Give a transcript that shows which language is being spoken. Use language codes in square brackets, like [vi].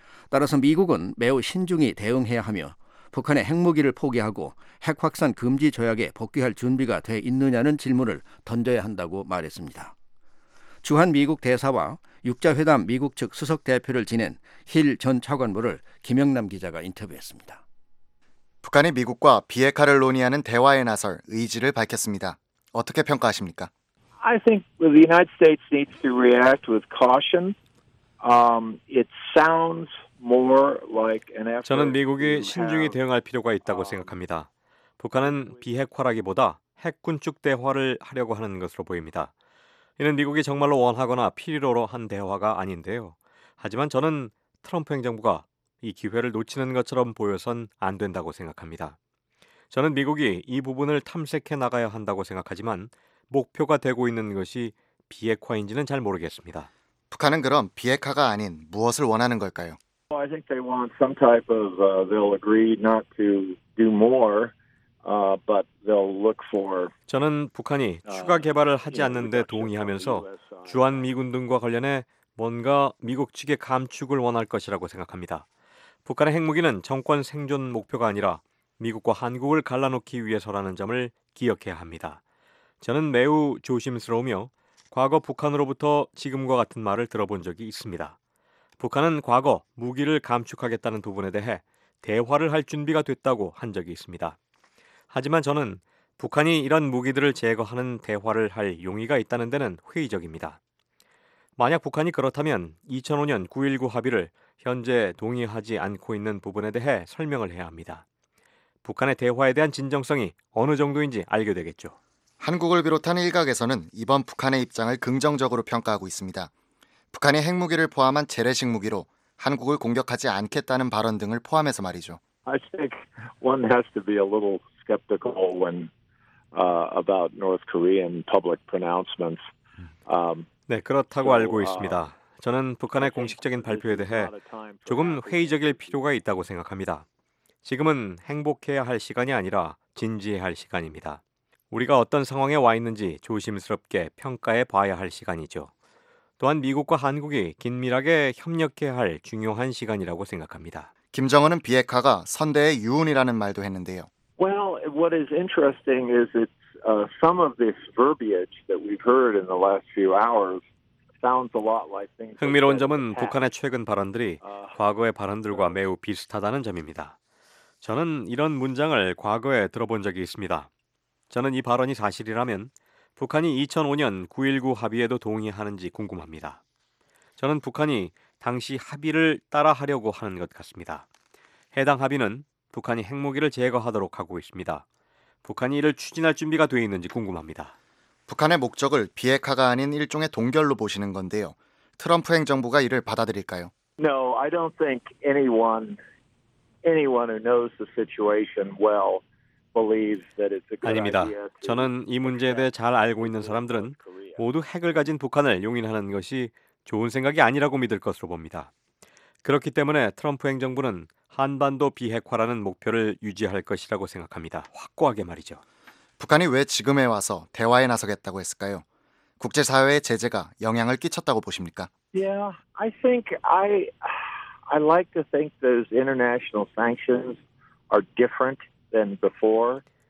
[ko] 따라서 미국은 매우 신중히 대응해야 하며 북한의 핵무기를 포기하고 핵확산 금지 조약에 복귀할 준비가 돼 있느냐는 질문을 던져야 한다고 말했습니다. 주한미국 대사와 육자회담 미국 측 수석대표를 지낸 힐 전 차관보를 김영남 기자가 인터뷰했습니다. 북한이 미국과 비핵화를 논의하는 대화에 나설 의지를 밝혔습니다. 어떻게 평가하십니까? [en] I think the United States needs to react with caution. It sounds more like an effort. [ko] 저는 미국이 신중히 대응할 필요가 있다고 생각합니다. 북한은 비핵화라기보다 핵군축 대화를 하려고 하는 것으로 보입니다. 이는 미국이 정말로 원하거나 필요로 한 대화가 아닌데요. 하지만 저는 트럼프 행정부가 이 기회를 놓치는 것처럼 보여선 안 된다고 생각합니다. 저는 미국이 이 부분을 탐색해 나가야 한다고 생각하지만 목표가 되고 있는 것이 비핵화인지는 잘 모르겠습니다. 북한은 그럼 비핵화가 아닌 무엇을 원하는 걸까요? [en] I think they want some type of they'll agree not to do more. But they'll look for [ko] 저는 북한이 추가 개발을 하지 않는 데 동의하면서 주한 미군 등과 관련해 뭔가 미국 측의 감축을 원할 것이라고 생각합니다. 북한의 핵무기는 정권 생존 목표가 아니라 미국과 한국을 갈라놓기 위해서라는 점을 기억해야 합니다. 저는 매우 조심스러우며 과거 북한으로부터 지금과 같은 말을 들어본 적이 있습니다. 북한은 과거 무기를 감축하겠다는 부분에 대해 대화를 할 준비가 됐다고 한 적이 있습니다. 하지만 저는 북한이 이런 무기들을 제거하는 대화를 할 용의가 있다는 데는 회의적입니다. 만약 북한이 그렇다면 2005년 9.19 합의를 현재 동의하지 않고 있는 부분에 대해 설명을 해야 합니다. 북한의 대화에 대한 진정성이 어느 정도인지 알게 되겠죠. 한국을 비롯한 일각에서는 이번 북한의 입장을 긍정적으로 평가하고 있습니다. 북한이 핵무기를 포함한 재래식 무기로 한국을 공격하지 않겠다는 발언 등을 포함해서 말이죠. [en] I think one has to be a little skeptical when about North Korean public pronouncements. [ko] 네, 그렇다고 알고 있습니다. 저는 북한의 공식적인 발표에 대해 조금 회의적일 필요가 있다고 생각합니다. 지금은 행복해야 할 시간이 아니라 진지해야 할 시간입니다. 우리가 어떤 상황에 와 있는지 조심스럽게 평가해 봐야 할 시간이죠. 또한 미국과 한국이 긴밀하게 협력해야 할 중요한 시간이라고 생각합니다. 김정은은 비핵화가 선대의 유운이라는 말도 했는데요. [en] Well, what is interesting is that some of this verbiage that we've heard in the last few hours sounds a lot like things. [ko] 흥미로운 점은 북한의 최근 발언들이 과거의 발언들과 매우 비슷하다는 점입니다. 저는 이런 문장을 과거에 들어본 적이 있습니다. 저는 이 발언이 사실이라면 북한이 2005년 9.19 합의에도 동의하는지 궁금합니다. 저는 북한이 당시 합의를 따라하려고 하는 것 같습니다. 해당 합의는 북한이 핵무기를 제거하도록 하고 있습니다. 북한이 이를 추진할 준비가 되어 있는지 궁금합니다. 북한의 목적을 비핵화가 아닌 일종의 동결로 보시는 건데요. 트럼프 행정부가 이를 받아들일까요? [en] No, I don't think anyone who knows the situation well believes that it's a good idea. [ko] 아닙니다. 저는 이 문제에 대해 잘 알고 있는 사람들은 모두 핵을 가진 북한을 용인하는 것이 좋은 생각이 아니라고 믿을 것으로 봅니다. 그렇기 때문에 트럼프 행정부는 한반도 비핵화라는 목표를 유지할 것이라고 생각합니다. 확고하게 말이죠. 북한이 왜 지금에 와서 대화에 나서겠다고 했을까요? 국제사회의 제재가 영향을 끼쳤다고 보십니까? [en] Yeah, I think I like to think those international sanctions are different than before.